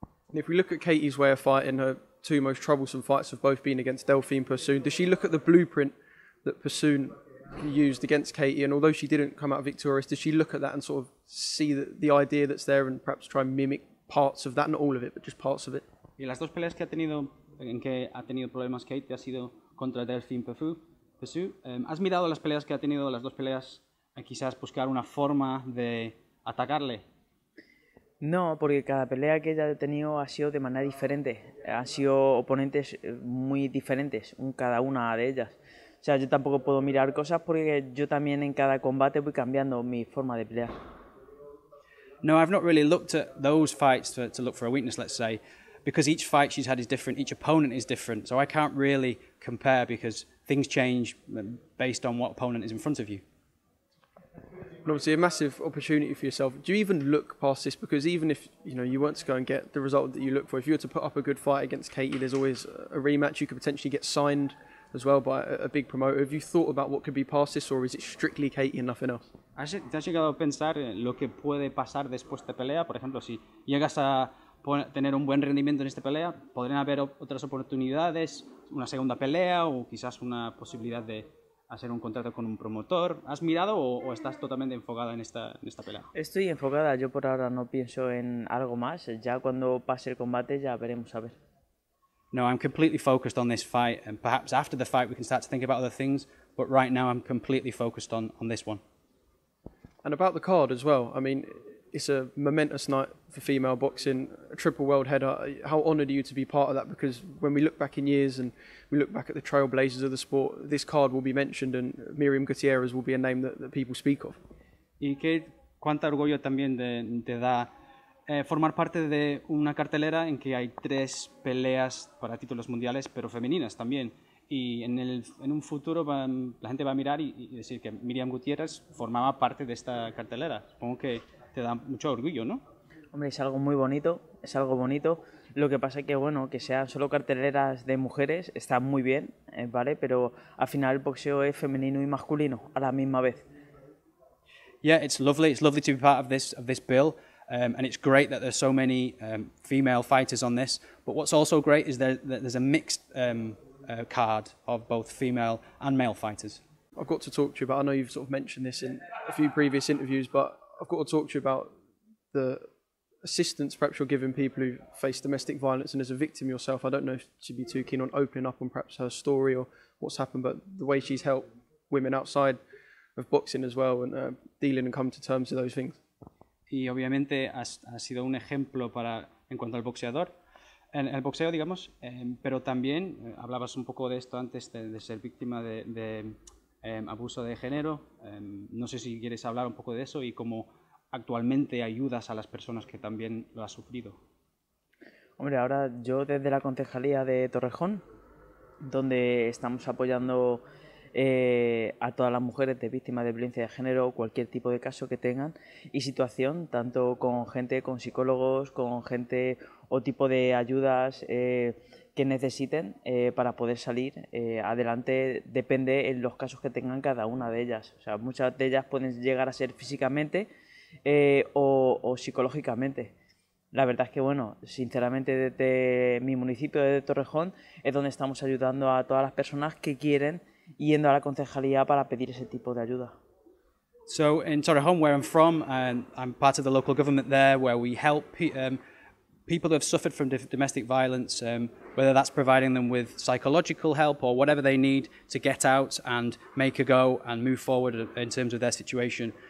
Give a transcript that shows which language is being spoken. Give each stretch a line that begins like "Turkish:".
English: And if we look at Katie's way of fighting, her two most troublesome fights have both been against Delphine Persoon. Does she look at the blueprint that Persoon used against Katie? And although she didn't come out victorious, does she look at that and sort of see the idea that's there and perhaps try and mimic parts of that? Not all of it, but just parts of it.
Spanish: Y las dos peleas que ha tenido problemas Katie ha sido contra Delphine Persoon. ¿Has mirado las peleas que ha tenido, las dos peleas, quizás buscar una forma de atacarle? No, porque cada pelea que ella ha tenido ha sido de manera diferente. Han sido oponentes muy diferentes, cada una de ellas. O sea, yo tampoco puedo mirar cosas porque yo también en cada combate voy cambiando mi forma de pelear.
English: No, I've not really looked at those fights to look for a weakness, let's say, because each fight she's had is different, each opponent is different, so I can't really compare because things change based on what opponent is in front of you. And obviously a massive opportunity for yourself. Do you even look past this? Because even if, you know, you weren't to go and get the result that you look for, if you were to put up a good fight against Katie, there's always a rematch. You could potentially get signed as well by a big promoter. Have you thought about what could be past this, or is it strictly Katie and nothing else?
Spanish: ¿Te has llegado a pensar en lo que puede pasar después de pelea? Por ejemplo, si llegas a tener un buen rendimiento en esta pelea, podrían haber otras oportunidades, una segunda pelea o quizás una posibilidad de hacer un contrato con un promotor. ¿Has mirado o estás totalmente enfocada en esta pelea? Estoy enfocada, yo por ahora no pienso en algo más, ya cuando pase el combate ya veremos a ver.
English: No, I'm completely focused on this fight, and perhaps after the fight we can start to think about other things, but right now I'm completely focused on this one. And about the card as well, I mean, it's a momentous night for female boxing, a triple world header. How honoured are you to be part of that? Because when we look back in years and we look back at the trailblazers of the sport, this card will be mentioned and Miriam Gutierrez will be a name that people speak of.
Spanish: Y qué cuánto orgullo también te da formar parte de una cartelera en que hay tres peleas para títulos mundiales, pero femeninas también. Y en un futuro la gente va a mirar y decir que Miriam Gutierrez formaba parte de esta cartelera. Supongo que te da mucho orgullo, ¿no? Hombre, es algo muy bonito, es algo bonito. Lo que pasa es que, bueno, que sean solo carteleras de mujeres está muy bien, ¿vale? Pero al final el boxeo es femenino y masculino a la misma vez.
English: Yeah, it's lovely to be part of this bill. And it's great that there's so many female fighters on this. But what's also great is that there's a mixed card of both female and male fighters. I've got to talk to you about, I know you've sort of mentioned this in a few previous interviews, but I've got to talk to you about the assistance perhaps you're giving people who face domestic violence. And as a victim yourself, I don't know if she'd be too keen on opening up on perhaps her story or what's happened, but the way she's helped women outside of boxing as well and dealing and coming to terms with those things.
Spanish: Y obviamente ha sido un ejemplo para en cuanto al boxeador, en el boxeo, digamos, pero también hablabas un poco de esto antes de ser víctima de abuso de género. No sé si quieres hablar un poco de eso y cómo actualmente ayudas a las personas que también lo han sufrido. Hombre, ahora yo desde la concejalía de Torrejón, donde estamos apoyando a todas las mujeres de víctimas de violencia de género, cualquier tipo de caso que tengan y situación, tanto con gente, con psicólogos, con gente o tipo de ayudas que necesiten para poder salir adelante, depende en los casos que tengan cada una de ellas. O sea, muchas de ellas pueden llegar a ser físicamente o psicológicamente. La verdad es que, bueno, sinceramente desde mi municipio de Torrejón es donde estamos ayudando a todas las personas que quieren yendo a la concejalía para pedir ese tipo de ayuda.
English: So in Torrejón, where I'm from, I'm part of the local government there, where we help people who have suffered from domestic violence, whether that's providing them with psychological help or whatever they need to get out and make a go and move forward in terms of their situation.